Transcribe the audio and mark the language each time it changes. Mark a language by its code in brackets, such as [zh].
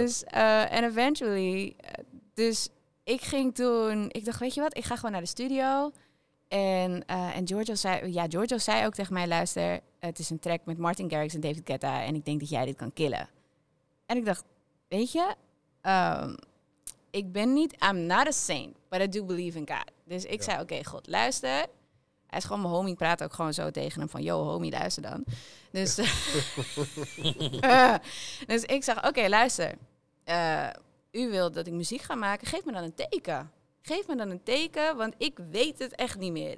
[nl] En eventually... Dus ik ging toen... Ik dacht, weet je wat, ik ga gewoon naar de studio. En Giorgio zei... Ja, Giorgio zei ook tegen mij, luister... Het is een track met Martin Garrix en David Guetta. En ik denk dat jij dit kan killen. En ik dacht, weet je... ik ben niet... [en] I'm not a saint, but I do believe in God. [nl] Dus ik zei, oké, God, luister. Hij is gewoon mijn homie. Ik praat ook gewoon zo tegen hem van... Yo, homie, luister dan. Dus, dus ik zeg, oké, luister. U wilt dat ik muziek ga maken? Geef me dan een teken. Geef me dan een teken, want ik weet het echt niet meer.